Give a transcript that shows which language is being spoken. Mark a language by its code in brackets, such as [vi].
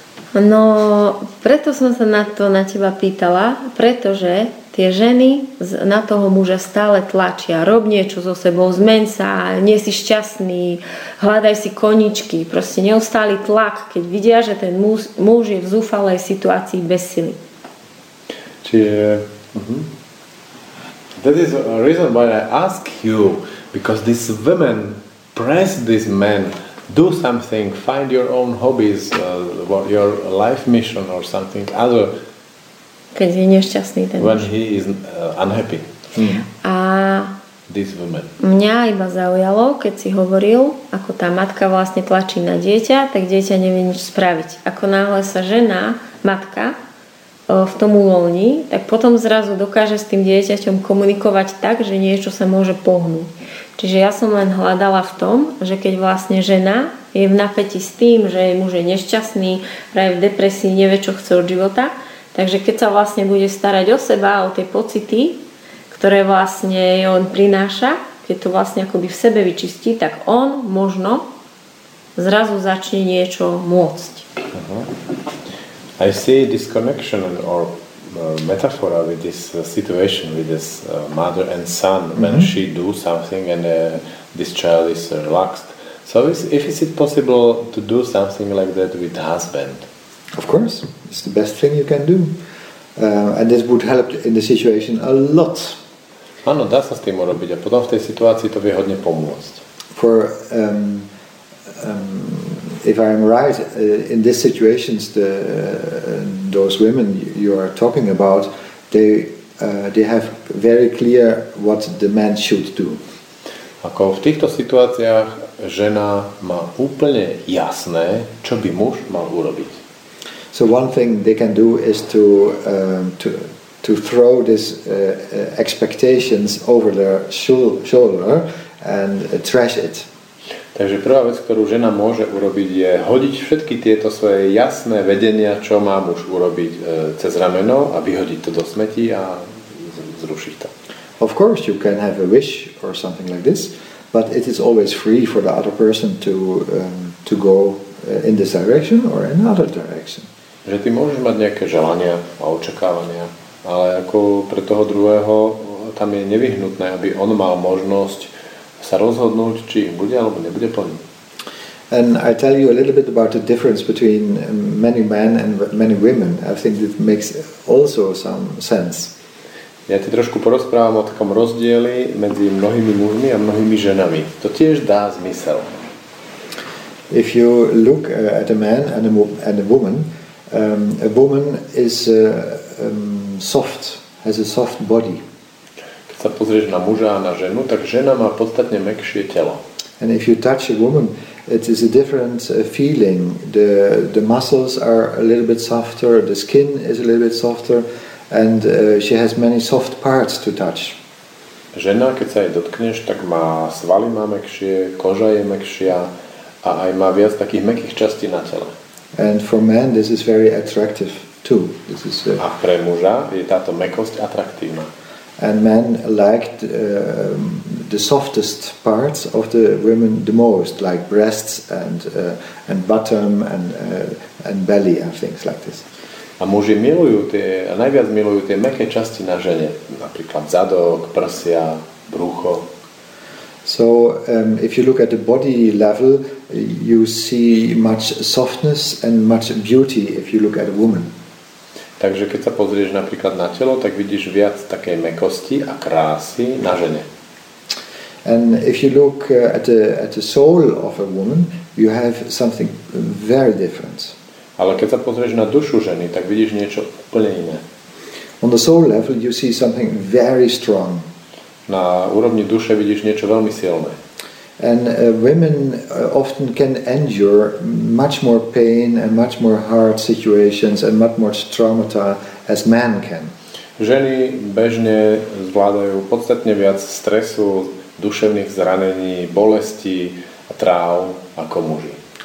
[sk] No, preto som sa na teba pýtala, pretože tie ženy na toho muža stále tlačia, rob niečo so sebou, zmeň sa, nie si šťastný, hľadaj si koničky, proste neustály tlak, keď vidia, že ten muž je v zúfalej situácii bez sily. [en] Čiže, that is a reason why I ask you, because these women press this man, do something, find your own hobbies, your life mission or something other. [sk] Keď je nešťastný ten [en] when he is unhappy. [sk] A [en] this woman. [sk] Mňa iba zaujalo, keď si hovoril, ako tá matka vlastne tlačí na dieťa, tak dieťa nevie nič spraviť. Ako náhle sa žena, matka, v tom uvoľní, tak potom zrazu dokáže s tým dieťaťom komunikovať tak, že niečo sa môže pohnúť. Čiže ja som len hľadala v tom, že keď vlastne žena je v napätí s tým, že jej muž je nešťastný, práve v depresii, nevie, čo chce od života, takže keď sa vlastne bude starať o seba, o tie pocity, ktoré vlastne on prináša, keď to vlastne akoby v sebe vyčistí, tak on možno zrazu začne niečo môcť. Uh-huh. [en] I see this connection or metaphor with this situation with this mother and son when mm-hmm. she do something and this child is relaxed. So is it possible to do something like that with husband? Of course, it's the best thing you can do. And this would help in the situation a lot. [sk] Áno, dá sa s tým urobiť a potom v tej situácii to vie hodne pomôcť. [en] For if I am right, in this situations the those women you are talking about, they have very clear what the man should do. [sk] Ako v týchto situáciách žena má úplne jasné, čo by muž mal urobiť. [en] So one thing they can do is to throw this expectations over their shoulder and trash it. [sk] Takže prvá vec, ktorú žena môže urobiť, je hodiť všetky tieto svoje jasné vedenia, čo má muž urobiť cez rameno a vyhodiť to do smeti a zrušiť to. [en] Of course you can have a wish or something like this, but it is always free for the other person to go in this direction or in another direction. [sk] Že ty môžeš mať nejaké želania a očakávania, ale ako pre toho druhého tam je nevyhnutné, aby on mal možnosť sa rozhodnúť, či ich bude alebo nebude plniť. [en] And I tell you a little bit about the difference between many men and many women. I think it makes also some sense. [sk] Ja ti trošku porozprávam o takom rozdieli medzi mnohými mužmi a mnohými ženami. To tiež dá zmysel. [en] If you look at a man and a woman, a woman is soft, has a soft body. [sk] Keď sa pozrieš na muža a na ženu, tak žena má podstatne mekšie telo. [en] And if you touch a woman, it is a different feeling. The muscles are a little bit softer, the skin is a little bit softer, and she has many soft parts to touch. [sk] Žena, keď sa jej dotkneš, tak má svaly má mekšie, koža je mekšia a aj má viac takých mekých častí na tele. [en] And for men this is very attractive too. This is [sk] a pre muža je táto mekosť atraktívna. [en] And men liked the softest parts of the women the most, like breasts and bottom and belly and things like this. [sk] A muži najviac milujú tie mäkké časti na žene, napríklad zadok, prsia, brucho. [en] So if you look at the body level, you see much softness and much beauty if you look at a woman. [sk] Takže keď sa pozrieš napríklad na telo, tak vidíš viac takej mekosti a krásy na žene. [en] And if you look at the soul of a woman, you have something very different. [sk] Ale keď sa pozrieš na dušu ženy, tak vidíš niečo úplne iné. [en] On the soul level you see something very strong. [sk] Na úrovni duše vidíš niečo veľmi silné. [en] And women often can endure much more pain and much more hard situations and much more traumata as men can. [sk] Ženy bežne zvládajú podstatne viac stresu, duševných zranení, bolesti a traum ako muži.